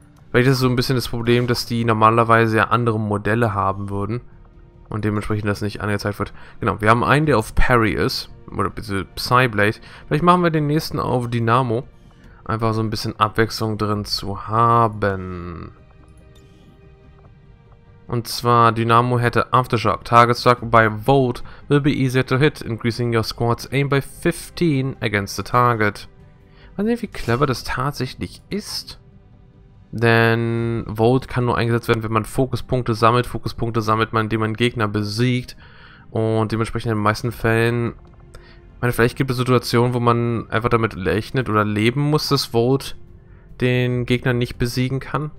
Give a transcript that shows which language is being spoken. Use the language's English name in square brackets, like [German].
[German] Vielleicht ist es so ein bisschen das Problem, dass die normalerweise ja andere Modelle haben würden und dementsprechend das nicht angezeigt wird. Genau, wir haben einen, der auf Parry ist, oder Psyblade. Vielleicht machen wir den nächsten auf Dynamo. Einfach so ein bisschen Abwechslung drin zu haben. Und zwar, Dynamo hätte Aftershock. [English] Target struck by Volt will be easier to hit, increasing your squad's aim by 15 against the target. [German] Weiß nicht, wie clever das tatsächlich ist. Denn Volt kann nur eingesetzt werden, wenn man Fokuspunkte sammelt. Fokuspunkte sammelt man, indem man Gegner besiegt. Und dementsprechend in den meisten Fällen... Ich meine, vielleicht gibt es Situationen, wo man einfach damit rechnet oder leben muss, dass Volt den Gegner nicht besiegen kann.